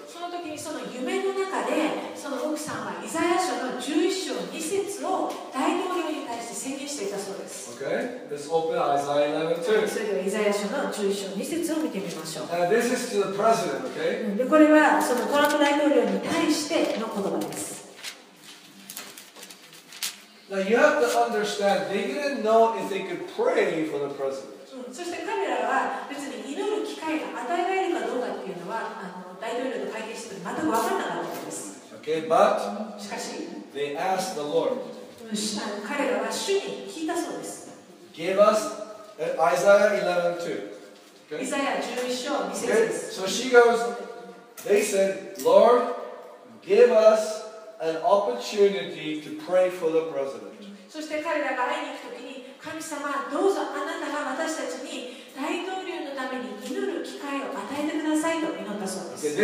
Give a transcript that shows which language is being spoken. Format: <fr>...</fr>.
<ja>その時にその夢の中で、その奥さんはイザヤ書の11章2節を大統領に対して宣言していたそうです。</ja> <en>Okay, let's open Isaiah 11:2。</en> <ja>それではイザヤ書の11章2節を見てみましょう。</ja> <en>And this is to the president, okay?</en> <ja>で、これはそのトランプ大統領に対しての言葉です。</ja> <en>Now you have to understand, they didn't know if they could pray for the president.</en> <ja>そして彼らは別に祈る機会が与えられるかどうかっていうのは、あの大統領と会見してて全く分からなかったんです。</ja> <en>Okay, but</en> <ja>しかし、</ja> <en>they asked the Lord.</en> <ja>彼らは主に聞いたそうです。</ja> <en>Give us Isaiah 11:2.</en> <ja>イザヤ11章2節です。</ja> <en>Okay, so she goes, they said, Lord, give usAn opportunity to pray for the president.</en> <ja>そして彼らが会いに行くときに、神様どうぞあなたが私たちに大統領のために祈る機会を与えてくださいと祈ったそうです。</ja>